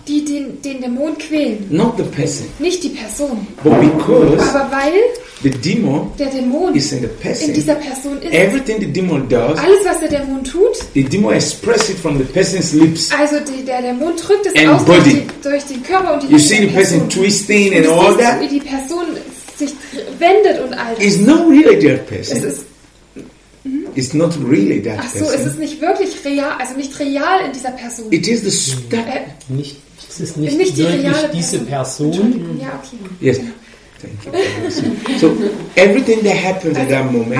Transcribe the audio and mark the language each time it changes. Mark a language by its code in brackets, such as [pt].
[de] die den Dämon quälen. [en] Not the person, [de] nicht die Person, [en] but because, [de] aber weil [en] the demon, [de] der Dämon, [en] is in the person, [de] in dieser Person ist. [en] Everything the demon does, [de] alles was der Dämon tut, [en] the demon expresses it from the person's lips, [de] also der Dämon drückt es aus durch den Körper und die Lippen. [en] You see the person twisting and all that, [de] wie die Person sich wendet und all das. [en] It's not really that person. [de] Es ist, [en] it's not really that [de] ach so, [en] person. [de] Es ist nicht wirklich real, also nicht real in dieser Person. [en] It is the [de] nicht, es ist nicht die wirklich reale diese Person. Ja, okay. [en] Yes. Thank you. So everything that happens at that moment,